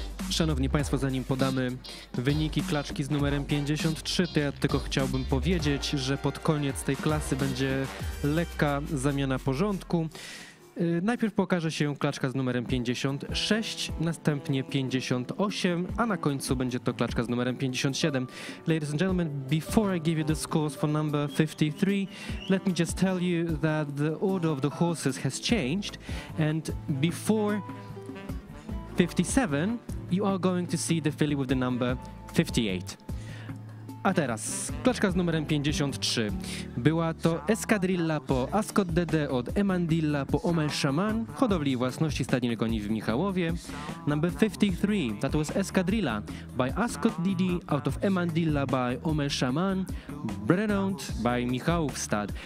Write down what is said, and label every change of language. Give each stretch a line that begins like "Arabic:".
Polish: Szanowni Państwo, zanim podamy wyniki klaczki z numerem 53, to ja tylko chciałbym powiedzieć, że pod koniec tej klasy będzie lekka zamiana porządku. Najpierw pokaże się klaczka z numerem 56, następnie 58, a na końcu będzie to klaczka z numerem 57.
English: Ladies and gentlemen, before I give you the scores for number 53, let me just tell you that the order of the horses has changed, and before 57, you are going to see the filly with the number 58.
Polish: A teraz, klaczka z numerem 53. Była to Escadrilla po Ascot Dede od Emandilla po Omel Shaman, hodowli i własności stadniny koni w Michałowie.
English: Number 53, that was Escadrilla by Ascot Dede out of Emandilla by Omel Shaman, Brenant by Michałów Stad.